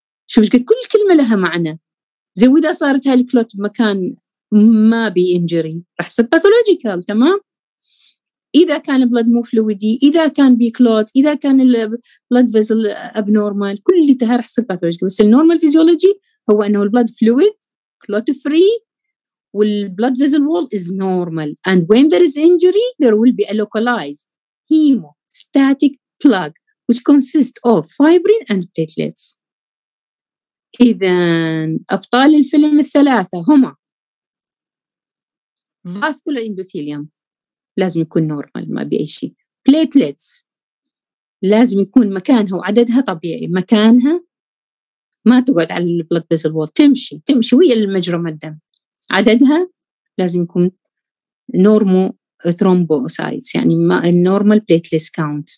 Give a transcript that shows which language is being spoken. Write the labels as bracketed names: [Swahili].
[Arabic] شوف قلت كل كلمة لها معنى. زي وإذا صارت هاي الكلوت بمكان ما بي injury رح صار pathological. تمام, إذا كان blood مو fluidy, إذا كان بي كلوت, إذا كان blood vessel abnormal, كل تها رح صار pathological. [English] بس النورمال physiology هو أنه blood fluid, clot free, والblood vessel wall is normal, and when there is injury there will be a localized hemostatic plug which consists of fibrin and platelets. [Arabic] إذن أبطال الفيلم الثلاثة هما vascular endothelium لازم يكون normal ما بأي شيء, platelets لازم يكون مكانها وعددها طبيعي, مكانها ما تقعد على blood vessel wall, تمشي تمشي ويا المجرم الدم, عددها لازم يكون normal thrombocytes يعني ما النورمال بليتليس كاونت.